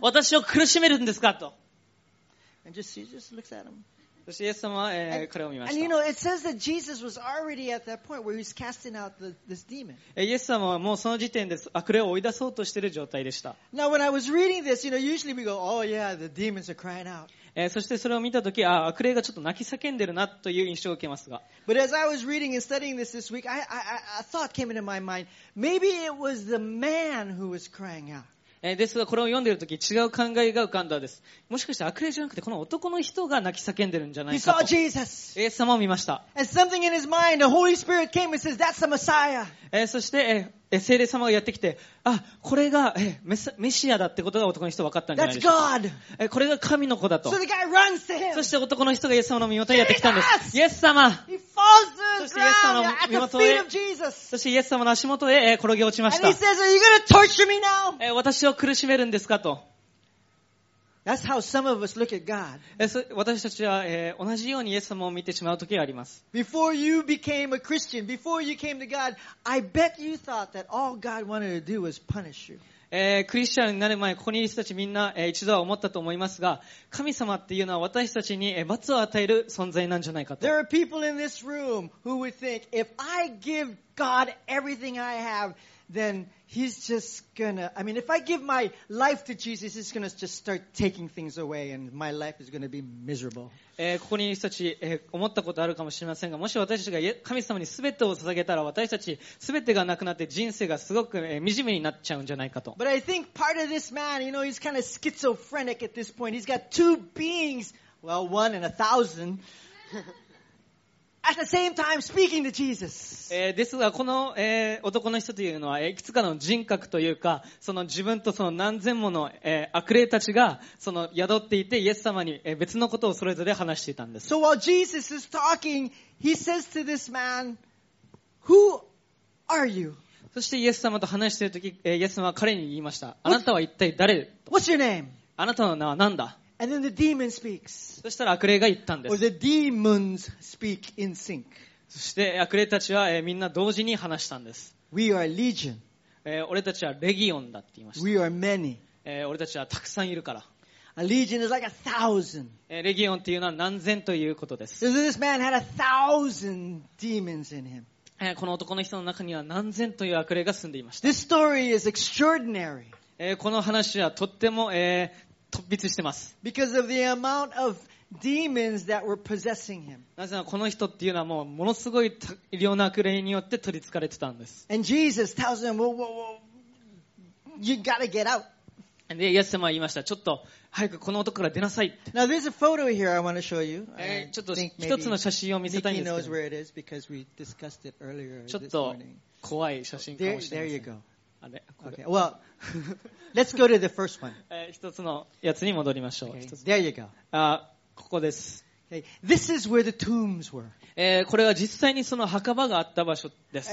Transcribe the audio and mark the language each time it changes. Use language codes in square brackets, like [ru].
[ja] 私を苦しめるんですかと。 [en] And Jesus looks at him. [ja] そしてイエス様は、これを見ました。 [en] And you know, it says that Jesus was already at that point where he was casting out this demon. [ja] イエス様はもうその時点で悪霊を追い出そうとしている状態でした。 [en] Now when I was reading this, you know, usually we go, oh yeah, the demons are crying out. [ja] そしてそれを見たとき、ああ、悪霊がちょっと泣き叫んでるなという印象を受けますが。 [en] But as I was reading and studying this this week, a thought came into my mind. Maybe it was the man who was crying out. [ja] ですがこれを読んでいるとき違う考えが浮かんだです。もしかして悪霊じゃなくてこの男の人が泣き叫んでるんじゃないかと。 [en] He saw [ja] Jesus. 様を見ました。 [en] And something in his mind, the Holy Spirit came and says, "That's the Messiah." [ja] そして聖霊様がやってきて、あ、これがメシアだってことが男の人分かったんじゃないですか。 [en] That's God. [ja] これが神の子だと。 [en] So the guy runs to him. [ja] そして男の人がイエス様の身元にやってきたんです。イエス様。 [en] He falls to the ground. [ja] そしてイエス様の身元へ。 [en] At the feet of Jesus. [ja] そしてイエス様の足元へ転げ落ちました。 [en] And he says, "Are you going to torture me now?" [ja] 私を苦しめるんですかと。 [en] That's how some of us look at God. [ja] 私たちは、同じようにイエス様を見てしまう時があります。 [en] Before you became a Christian, before you came to God, I bet you thought that all God wanted to do was punish you. [ja] クリスチャンになる前、ここにいる人たちみんな、一度は思ったと思いますが、神様っていうのは私たちに、罰を与える存在なんじゃないかと。 [en] There are people in this room who would think, if I give God everything I have,Then he's just gonna. I mean, if I give my life to Jesus, he's gonna just start taking things away, and my life is gonna be miserable. [ja] ここに私たち、思ったことあるかもしれませんが、もし私たちが神様にすべてを捧げたら、私たちすべてがなくなって人生がすごく、惨めになっちゃうんじゃないかと。 [en] But I think part of this man, you know, he's kind of schizophrenic at this point. He's got two beings, well, one and a thousand. At the same time, speaking to Jesus. [ja] ですが、この、男の人というのは、いくつかの人格というか、その自分とその何千もの、悪霊たちが、その宿っていて、イエス様に、別のことをそれぞれ話していたんです。 [en] So while Jesus is talking, he says to this man, Who are you? [ja] そしてイエス様と話しているとき、イエス様は彼に言いました。あなたは一体誰？ [en] What's your name? [ja] あなたの名は何だ？ [en] And then the demon speaks. [ja] そしたら悪霊が言ったんです。 [en] Or the demons speak in sync. [ja] そして悪霊たちは、みんな同時に話したんです。 [en] We are legion. [ja] 俺たちはレギオンだって言いました。 [en] We are many. [ja] 俺たちはたくさんいるから。 [en] A legion is like a thousand. [ja] レギオンっていうのは何千ということです。 [en] So this man had a thousand demons in him. [ja] この男の人の中には何千という悪霊が住んでいました。 [en] This story is extraordinary. [ja] この話はとっても、突筆してます。 [en] Because of the amount of demons that were possessing him. [ja] なぜならこの人っていうのはもうものすごい量の悪霊によって取り憑かれてたんです。 [en] And Jesus tells him, "Whoa, whoa, whoa! You gotta get out." [ja] でイエス様は言いました。ちょっと早くこの男から出なさい。 [en] Now there's a photo here I want to show you. [ja] ちょっと一つの写真を見せたいんですけど。 [en] Nikki knows where it is because we discussed it earlier this morning. [ja] ちょっと怖い写真かもしれません。 [en] There you go. Okay. Well, let's go to the first one. [ja] 一つのやつに戻りましょう。 [en] Okay. There you go. [ja] ここです。 [en] Okay. This is where the tombs were. [ja] これは実際にその墓場があった場所です。